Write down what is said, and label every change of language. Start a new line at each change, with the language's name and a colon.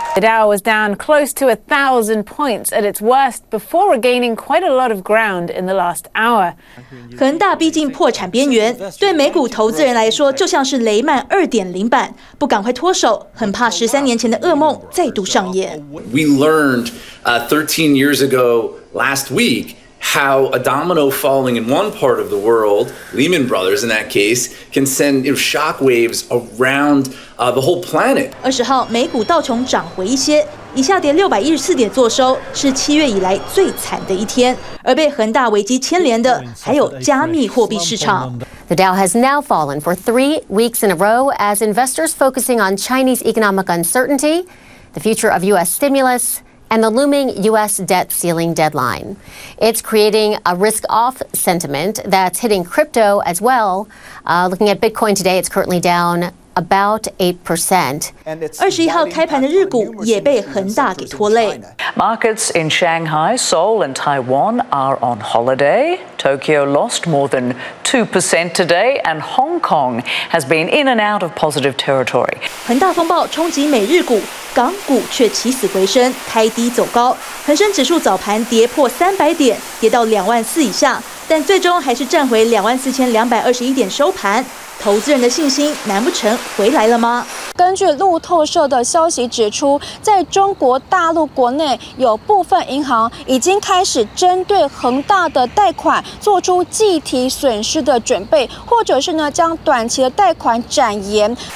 English: The Dow was down close to 1,000 points at its worst before regaining quite a lot of ground in the last hour.
Chinese: 恒大逼近破产边缘，对美股投资人来说就像是雷曼2.0版，不赶快脱手，很怕13年前的噩梦再度上演。
English: We learned 13 years ago. Last week, how a domino falling in one part of the world, Lehman Brothers in that case, can send shockwaves around the whole planet.
Chinese: 20号，美股道琼涨回一些，以下跌614点作收，是7月以来最惨的一天。而被恒大危机牵连的，还有加密货币市场。
English: The Dow has now fallen for 3 weeks in a row as investors focusing on Chinese economic uncertainty, the future of U.S. stimulus. And the looming U.S. debt ceiling deadline. It's creating a risk-off sentiment that's hitting crypto as well. Looking at Bitcoin today, it's currently down about 8%.
Chinese: 21号开盘的日股也被恒大给拖累。
English: Markets in Shanghai, Seoul, and Taiwan are on holiday. Tokyo lost more than 2% today, and Hong Kong has been in and out of positive territory.
Chinese: 恒大风暴冲击美日股。港股却起死回生，开低走高。恒生指数早盘跌破300点，跌到24000以下，但最终还是站回24221点收盘。投资人的信心难不成回来了吗？根据路透社的消息指出，在中国大陆国内有部分银行已经开始针对恒大的贷款做出计提损失的准备，或者是呢将短期的贷款展延。